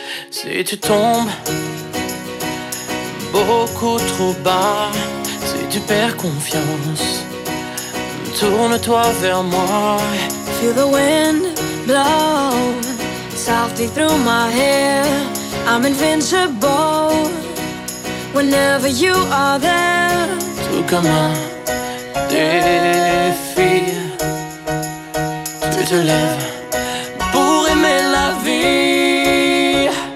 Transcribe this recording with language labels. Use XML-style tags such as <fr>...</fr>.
<fr>Si tu tombes beaucoup trop bas, si tu perds confiance, tourne-toi vers moi.</fr> <en>Feel the wind blow softly through my hair. I'm invincible whenever you are there.</en> <fr>Tout comme un défi, tu te lèves pour aimer la vie.</fr>